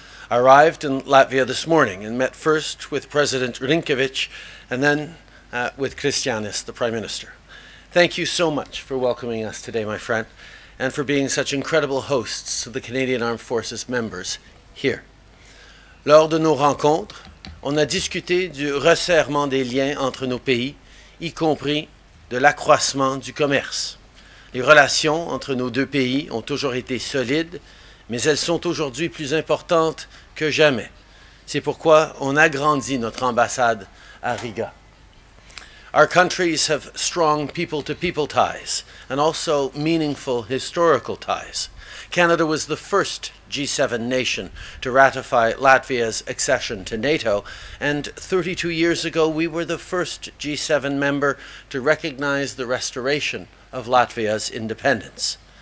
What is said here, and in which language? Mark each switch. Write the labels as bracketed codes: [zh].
[en] I arrived in Latvia this morning and met first with President Rinkevič and then with Krišjānis, the Prime Minister. Thank you so much for welcoming us today, my friend, and for being such incredible hosts to the Canadian Armed Forces members here. [fr] Lors de nos rencontres, on a discuté du resserrement des liens entre nos pays, y compris de l'accroissement du commerce. Les relations entre nos deux pays ont toujours été solides, mais elles sont aujourd'hui plus importantes que jamais. C'est pourquoi on agrandit notre ambassade à Riga. [en] Our countries have strong people-to-people ties and also meaningful historical ties. Canada was the first G7 nation to ratify Latvia's accession to NATO, and 32 years ago we were the first G7 member to recognize the restoration of Latvia's independence.